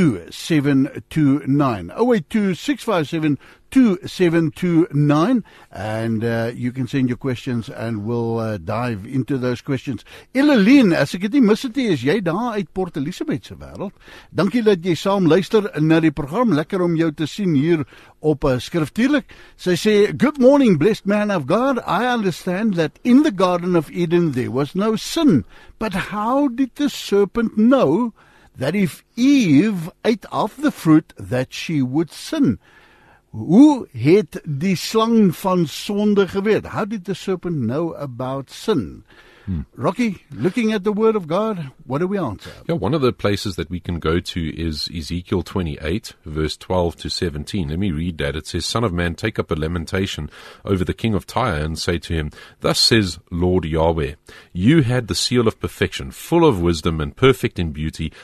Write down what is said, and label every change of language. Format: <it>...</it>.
<en>082-657-2729. 082-657-2729. And you can send your questions and we'll dive into those questions.</en> <af>Ileline, as ek het nie mis het, is jy daar uit Port Elizabeth se wêreld. Dankie dat jy saam luister na die program. Lekker om jou te sien hier op skriftuurlik. Sy sê,</af> <en>good morning, blessed man of God. I understand that in the Garden of Eden there was no sin. But how did the serpent know that if Eve ate of the fruit, that she would sin?</en> <af>Hoe het die slang van sonde geweet?</af> <en>How did the serpent know about sin? Rocky, looking at the word of God, what do we answer? Yeah, one of the places that we can go to is Ezekiel 28, verse 12 to 17. Let me read that. It says, Son of man, take up a lamentation over the king of Tyre and say to him, Thus says Lord Yahweh, you had the seal of perfection, full of wisdom and perfect in beauty.</en>